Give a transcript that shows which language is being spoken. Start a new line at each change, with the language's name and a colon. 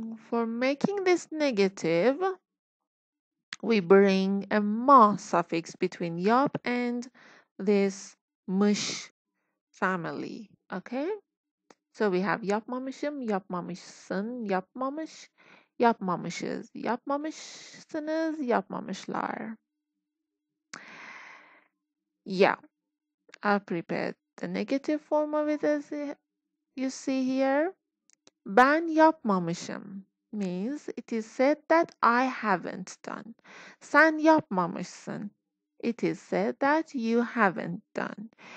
English: For making this negative, we bring a ma suffix between yap and this mış family. Okay?
Turkish: So we have yapmamışım, yapmamışsın, yapmamış, yapmamışız, yapmamışsınız, yapmamışlar.
English: Yeah, I prepared the negative form of it as you see here.
Turkish: Ben yapmamışım
English: means it is said that I haven't done.
Turkish: Sen yapmamışsın,
English: it is said that you haven't done.